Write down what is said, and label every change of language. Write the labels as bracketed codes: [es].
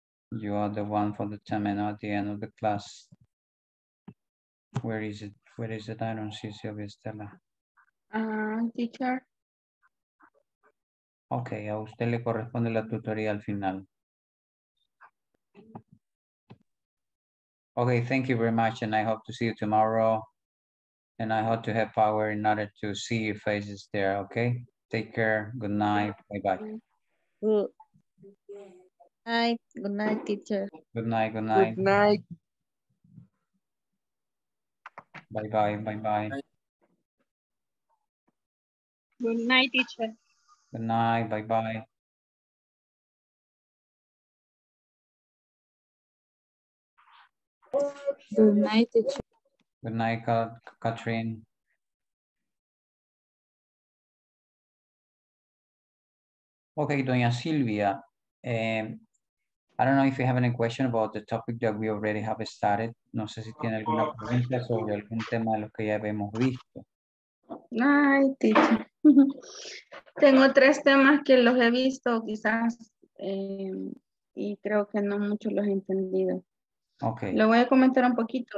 [en] You are the one for the 10 minutes at the end of the class. Where is it? Where is it? I don't see Silvia Estela. Teacher. [es] Ok, a usted le corresponde la tutoría al final. [en] Ok, thank you very much and I hope to see you tomorrow. And I hope to have power in order to see your faces there, ok? Take care, good night, bye bye. Good night, teacher. Good night. Good night. Bye bye. Good night, teacher. Good night, bye-bye. Good night, teacher. Good night, Katrin. Okay, Doña Silvia, I don't know if you have any question about the topic that we already have started. [es] No sé si tiene alguna pregunta sobre algún tema de los que ya hemos visto. Ay, teacher. Tengo tres temas que los he visto quizás y creo que no mucho los he entendido. [en] Okay. [es] Lo voy a comentar un poquito.